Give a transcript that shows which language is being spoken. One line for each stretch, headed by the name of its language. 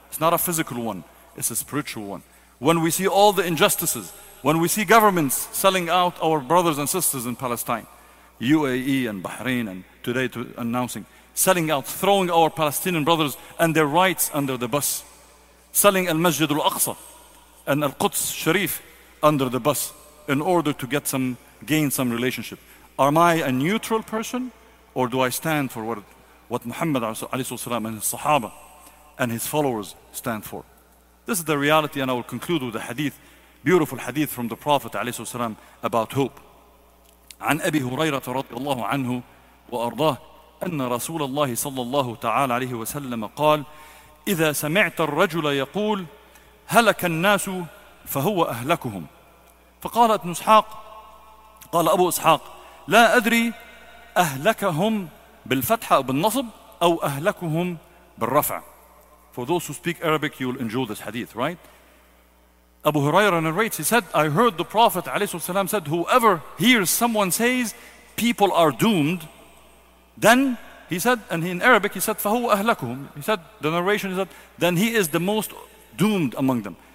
English: It's not a physical one, it's a spiritual one. When we see all the injustices, when we see governments selling out our brothers and sisters in Palestine, UAE and Bahrain, and today to announcing, selling out, throwing our Palestinian brothers and their rights under the bus, selling Al-Masjid Al-Aqsa and Al-Quds Sharif under the bus in order to gain some relationship. Am I a neutral person, or do I stand for what Muhammad ﷺ and his Sahaba and his followers stand for? This is the reality, and I will conclude with a hadith, beautiful hadith from the Prophet ﷺ about hope.
Arabic: عن أبي هريرة رضي الله عنه وأرضاه أن رسول الله صلى الله تعالى عليه وسلم قال إذا سمعت الرجل يقول هلك الناس فهو أهلكهم. فقال ابن إسحاق قال أبو إسحاق لا أدري أهلكهم بالفتح أو بالنصب أو أهلكهم بالرفع.
English: For those who speak Arabic, you will enjoy this hadith, right? Abu Huraira narrates, he said, I heard the Prophet ﷺ said, whoever hears someone says, people are doomed, then he said, and in Arabic he said,
Arabic: فَهُوَ أَهْلَكُهُمْ.
English: He said, the narration is that, then he is the most doomed among them.